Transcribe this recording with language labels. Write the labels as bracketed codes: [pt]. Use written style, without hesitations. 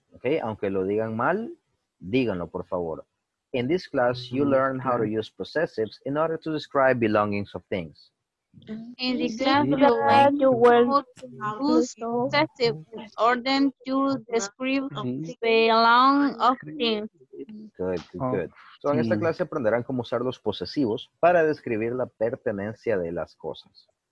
[es] Okay, aunque lo digan mal, díganlo, por favor. [en] In this class, you learn how to use possessives in order to describe belongings of things. In this class, you learn how to use possessives in order to describe belongings of things. Good. [es] So, en esta clase aprenderán cómo usar los posesivos para describir la pertenencia de las cosas.